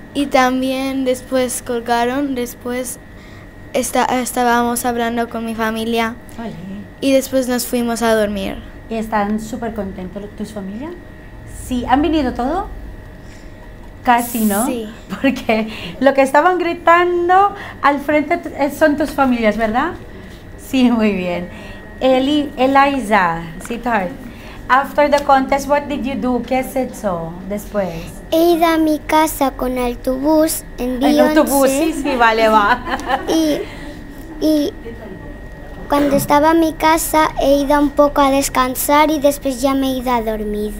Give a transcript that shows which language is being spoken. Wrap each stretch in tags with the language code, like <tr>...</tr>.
<es>Y también después colgaron, después estábamos hablando con mi familia. Vale. Y después nos fuimos a dormir. ¿Y están súper contentos tus familia? Sí. ¿Han venido todo? Casi, ¿no? Sí. Porque lo que estaban gritando al frente son tus familias, ¿verdad? Sí, muy bien.</es> <en>Eliza, sweetheart, after the contest, what did you do?</en> <es>¿Qué has hecho después? He ido a mi casa con autobús en Beyoncé. El autobús, sí, vale, va. Y cuando estaba en mi casa, he ido un poco a descansar y después ya me he ido a dormir.</es>